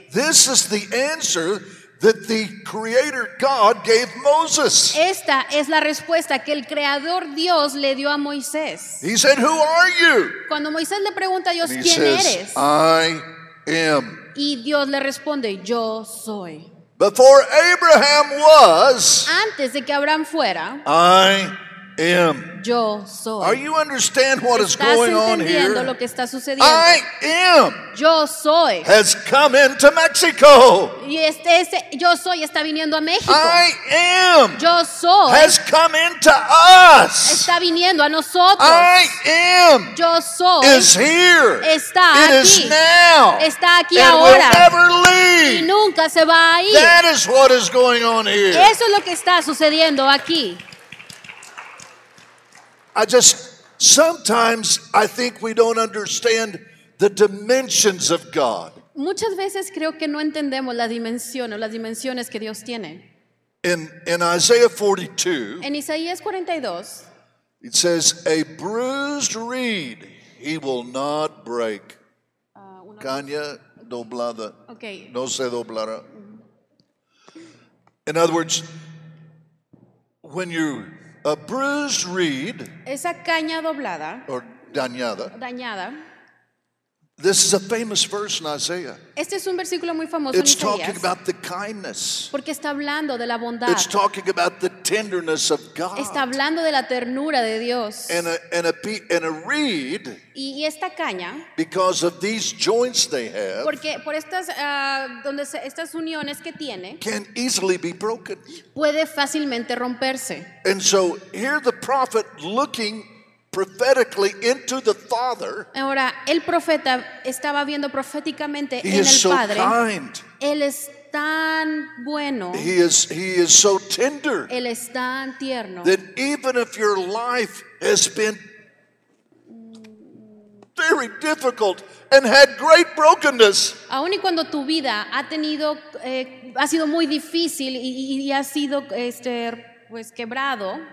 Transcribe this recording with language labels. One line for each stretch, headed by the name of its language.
English: This is the answer that the Creator God gave Moses.
Spanish: Esta es la respuesta que el Creador Dios le dio a Moisés.
English: He said, "Who are you?"
Spanish: Cuando Moisés le pregunta a Dios,
English: and
Spanish: ¿quién
English: says,
Spanish: eres?
English: I am.
Spanish: Y Dios le responde, yo soy.
English: Before Abraham was,
Spanish: antes de que Abraham fuera,
English: I am.
Spanish: Yo soy.
English: Are you understand what is going on here?
Spanish: ¿Estás entendiendo lo que está sucediendo?
English: I am.
Spanish: Yo soy.
English: Has come into Mexico.
Spanish: Y este yo soy está viniendo a México.
English: I am.
Spanish: Yo soy.
English: Has come into us.
Spanish: Está viniendo a nosotros.
English: I am.
Spanish: Yo soy.
English: Is here.
Spanish: Está
English: it
Spanish: aquí.
English: It is now.
Spanish: Está aquí
English: and
Spanish: ahora.
English: And will never leave.
Spanish: Y nunca se va a ir.
English: That is what is going on here.
Spanish: Eso es lo que está sucediendo aquí.
English: Sometimes I think we don't understand the dimensions of God.
Spanish: Muchas veces creo que no entendemos la dimensión o las dimensiones que Dios tiene.
English: In Isaiah 42,
Spanish: en Isaías 42,
English: it says, a bruised reed he will not break.
Spanish: Caña doblada.
English: Okay.
Spanish: No se doblará.
English: In other words, when you a bruised reed,
Spanish: esa caña doblada,
English: or dañada.
Spanish: Dañada.
English: This is a famous verse in Isaiah.
Spanish: Este es un versículo muy famoso
English: it's
Spanish: en Isaías.
English: Talking about the kindness.
Spanish: Porque está hablando de la bondad.
English: It's talking about the tenderness of God.
Spanish: Está hablando de la ternura de Dios.
English: And a reed,
Spanish: y esta caña,
English: because of these joints they have,
Spanish: porque por estas, donde se, estas uniones que tiene,
English: can easily be broken.
Spanish: Puede fácilmente romperse.
English: And so here the prophet looking prophetically into the Father.
Spanish: Ahora, el profeta estaba viendo proféticamente
English: he
Spanish: en el
English: so
Spanish: Padre.
English: Kind.
Spanish: Él es tan bueno.
English: He is so tender.
Spanish: Él es tan tierno.
English: That even if your life has been very difficult and had great brokenness.
Spanish: Aun y cuando tu vida ha tenido ha sido muy difícil y ha sido pues quebrado.